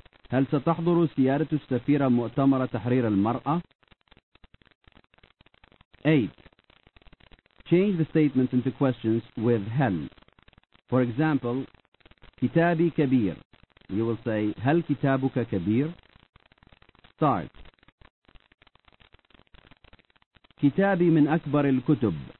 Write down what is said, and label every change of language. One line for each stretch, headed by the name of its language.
Arabic: هل ستحضر سيادة السفيرة مؤتمر تحرير المرأة؟ 8.
English: Change the statements into questions with هل. For example, كتابي كبير. You will say, هل كتابك كبير? Start.
Arabic: كتابي من أكبر الكتب.